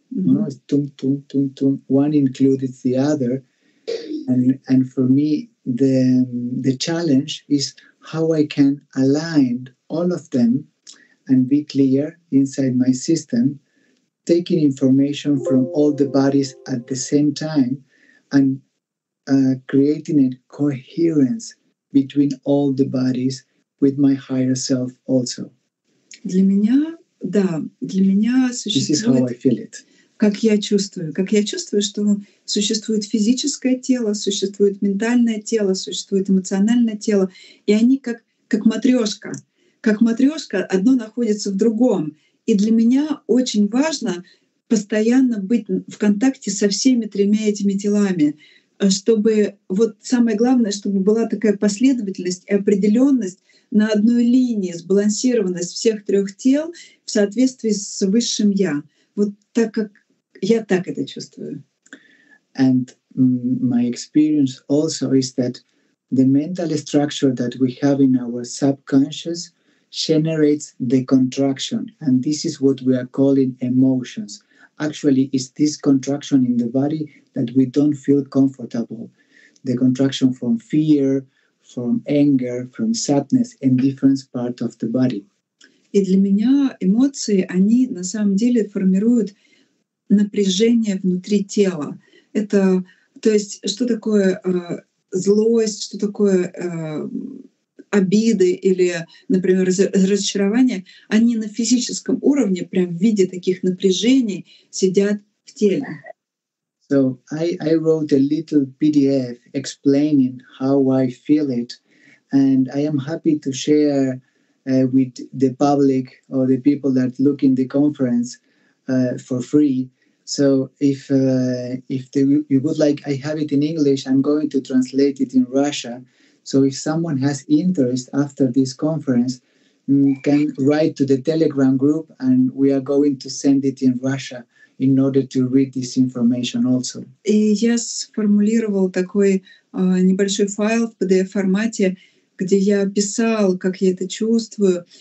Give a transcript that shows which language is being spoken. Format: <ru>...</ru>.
<en>No, it's tum tum tum tum. One includes the other, and for me the challenge is how I can align all of them and be clear inside my system, taking information from all the bodies at the same time, and creating a coherence between all the bodies with my higher self also.</en> <ru>Для меня, да, для меня существует.</ru> <en>This is how I feel it.</en> <ru>Как я чувствую, что существует физическое тело, существует ментальное тело, существует эмоциональное тело, и они как матрёшка, одно находится в другом. И для меня очень важно постоянно быть в контакте со всеми тремя этими телами, чтобы вот самое главное, чтобы была такая последовательность и определенность на одной линии, сбалансированность всех трех тел в соответствии с высшим я. Вот так как я так это чувствую.</ru> <en>And my experience also is that the mental structure that we have in our subconscious generates the contraction, and this is what we are calling emotions. Actually, it's this contraction in the body that we don't feel comfortable. The contraction from fear, from anger, from sadness in different parts of the body.</en> <ru>И для меня эмоции, они на самом деле формируют напряжение внутри тела. Это, то есть, что такое злость, что такое обиды или, например, разочарования, они на физическом уровне, прям в виде таких напряжений, сидят в теле.</ru> <en>So I wrote a little PDF explaining how I feel it, and I am happy to share with the public or the people that look in the conference for free. So if you would like, I have it in English. I'm going to translate it in Russia. So if someone has interest after this conference, can write to the Telegram group, and we are going to send it in Russia in order to read this information also.</en> <ru>И я сформулировал такой небольшой файл в PDF-формате, где я писал, как я это чувствую.</ru>